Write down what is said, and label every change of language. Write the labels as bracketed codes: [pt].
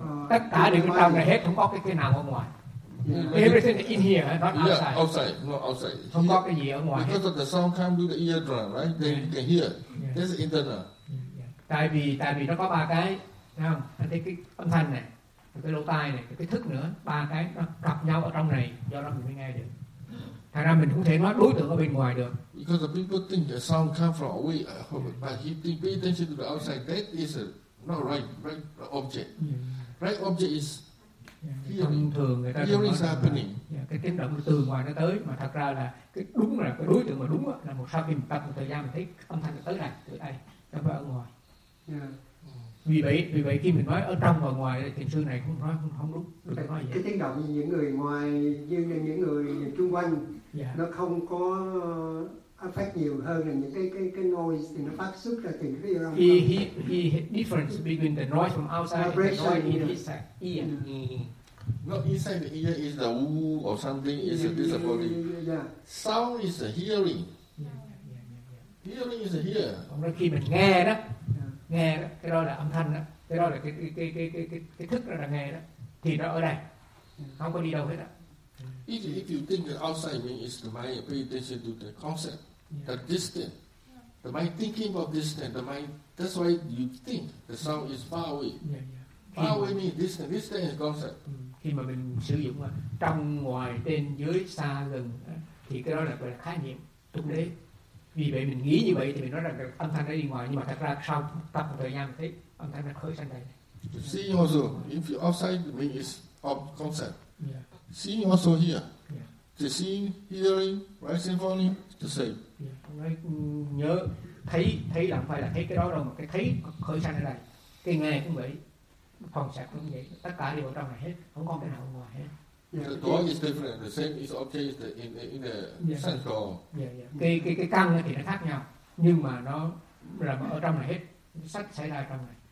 [vi] Tất cả đều trong cái hết, không có cái nào ở ngoài. [en] Everything in here, not outside. Yeah, outside, not outside. [vi] Không có cái gì ở ngoài. [en] Because of the sound come through the eardrum, right? Then you can hear. Yeah. This is internal. Yeah. [vi] Tại vì nó có ba cái, không? Anh thấy cái âm thanh này, cái lỗ tai này, cái thức nữa, ba cái nó gặp nhau ở trong này, do đó mình mới nghe được. Thành ra mình cũng thể nói đối tượng ở bên ngoài được. [en] Because the people think the sound come from away, but if they pay attention to the outside, that is not right object. Yeah. Right object is hearing is happening. [vi] Cái tiếng động từ ngoài nó tới, mà thật ra là cái đúng là cái đối tượng mà đúng là một sau khi mình tập một thời gian mình thấy âm thanh nó tới này, từ đây, nó phải ở ngoài. [en] Yeah. [vi] Vì vậy khi mình nói ở trong và ngoài thì sư này cũng nói không đúng. Cái tiếng động như những người ngoài như những người chung quanh nó không có affect nhiều hơn là những cái noise thì nó phát xuất ra từ cái trong. [en] He difference between the noise from outside and the noise in his ear. Not inside the ear is the woo or something is a disability. Sound is a hearing. Hearing is a hear. [vi] Khi mình nghe đó. Nghe đó, cái đó là âm thanh đó, cái đó là cái thức đó là nghe đó, thì nó ở đây, không có đi đâu hết á. [en] If you think the outside mind is the mind, pay attention to the concept, the distant, the mind thinking about distant, the mind, that's why you think the sound is far away. Far away means distant, distant is concept. [vi] Khi mà mình sử dụng trong, ngoài, trên, dưới, xa, gần, thì cái đó là gọi là khái niệm, thực tế. Vì vậy mình nghĩ như vậy thì mình nói rằng âm thanh nó đi ngoài, nhưng mà thật ra sau tập một thời gian thấy âm thanh nó khởi sang đây. [en] Seeing also, if you outside the mind is of concept. Seeing also here. The seeing, hearing, rising, falling, the same. [vi] Nhớ, thấy là không phải là thấy cái đó đâu, mà cái thấy khởi sang ở đây. Cái nghe cũng vậy, phòng sạc cũng vậy, tất cả đều ở trong này hết, không có cái nào ở ngoài hết. [en] The door is different. The same is object in the sense door. [vi] Cái căn thì nó khác nhau, nhưng mà nó là ở trong này hết. Sách xảy ra trong này.